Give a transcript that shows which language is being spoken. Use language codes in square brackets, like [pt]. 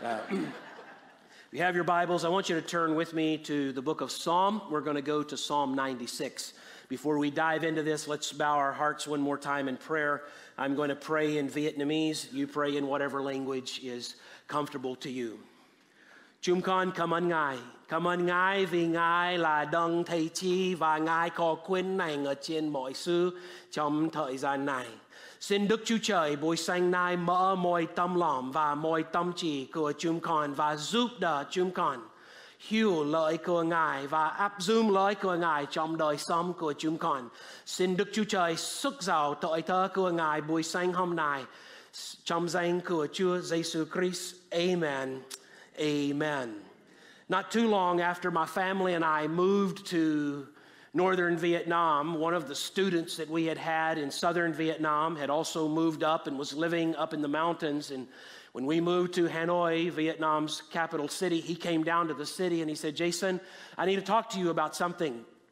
[en] If you have your Bibles, I want you to turn with me to the book of Psalm. We're going to go to Psalm 96. Before we dive into this, let's bow our hearts one more time in prayer. I'm going to pray in Vietnamese. You pray in whatever language is comfortable to you. [vi] Chúng con cảm ơn Ngài vì Ngài là đấng thầy chi và Ngài có quyền năng ở trên mọi sự trong thời gian này. Xin Đức Chúa Trời buổi sáng nay mở mọi tâm lòng và mọi tâm trí của chúng con và giúp đỡ chúng con hiểu lời của Ngài và áp dụng lời của Ngài trong đời sống của chúng con. Xin Đức Chúa Trời xuất giàu tội thơ của Ngài buổi sáng hôm nay. Trong danh của Chúa Jesus Christ, amen. Amen. [en] Not too long after my family and I moved to northern Vietnam, one of the students that we had in southern Vietnam had also moved up and was living up in the mountains. And when we moved to Hanoi, Vietnam's capital city, he came down to the city and he said, "Jason, I need to talk to you about something."